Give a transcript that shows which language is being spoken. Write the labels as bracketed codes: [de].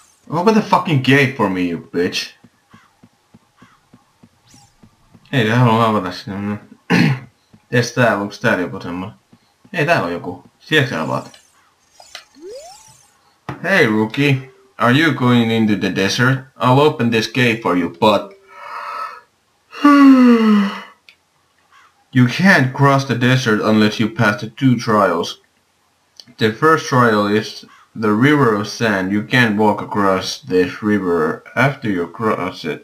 [en] Open the fucking gate for me, you bitch! [fi] Ei, tää haluu avata sinne. Ees täällä, onks täällä joku semmonen? Ei, täällä on joku. Siellä sä avaat. [en] Hey rookie, are you going into the desert? I'll open this gate for you, but... you can't cross the desert unless you pass the two trials. The first trial is the river of sand. You can't walk across this river after you cross it.